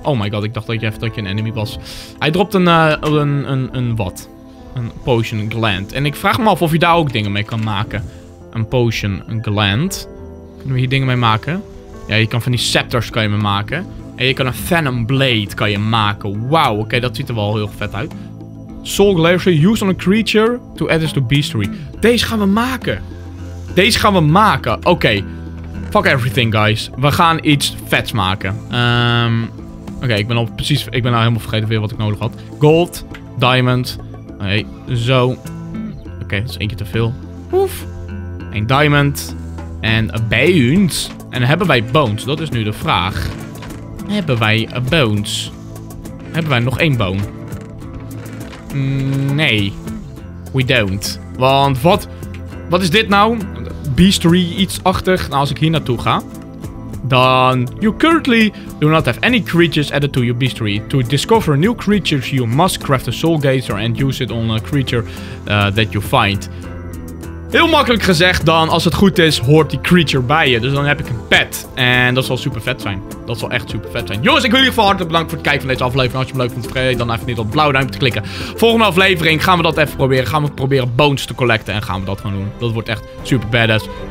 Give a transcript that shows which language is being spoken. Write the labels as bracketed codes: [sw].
[en] Oh my god, [nl] ik dacht dat je een enemy was. Hij dropt een wat? Een potion gland. En ik vraag me af of je daar ook dingen mee kan maken. Een potion gland. Kunnen we hier dingen mee maken? Ja, je kan van die scepters kan je mee maken. En je kan een venom blade kan je maken. Wauw, oké, dat ziet er wel heel vet uit. [en] Soul Glacier, use on a creature to add this to beastry. [nl] Deze gaan we maken. Deze gaan we maken. Oké. Okay. [en] Fuck everything, guys. [nl] We gaan iets vets maken. Oké, ik ben al precies... Ik ben al helemaal vergeten weer wat ik nodig had. Gold. Diamond. Oké, okay, zo. Oké, dat is eentje te veel. Oef. Een diamond. En bones. En hebben wij bones? Dat is nu de vraag. Hebben wij bones? Hebben wij nog één bone? Nee. [en] We don't. [nl] Want wat... Wat is dit nou? Beastry iets-achtig. Nou, als ik hier naartoe ga. Dan... [en] You currently do not have any creatures added to your beastry. To discover new creatures, you must craft a soul gazer and use it on a creature that you find. [nl] Heel makkelijk gezegd dan. Als het goed is, hoort die creature bij je. Dus dan heb ik een pet. En dat zal super vet zijn. Dat zal echt super vet zijn. Jongens, ik wil jullie van harte bedanken voor het kijken van deze aflevering. Als je hem leuk vindt, vergeet dan even niet op het blauwe duimpje te klikken. Volgende aflevering gaan we dat even proberen. Gaan we proberen bones te collecten en gaan we dat gaan doen. Dat wordt echt super badass.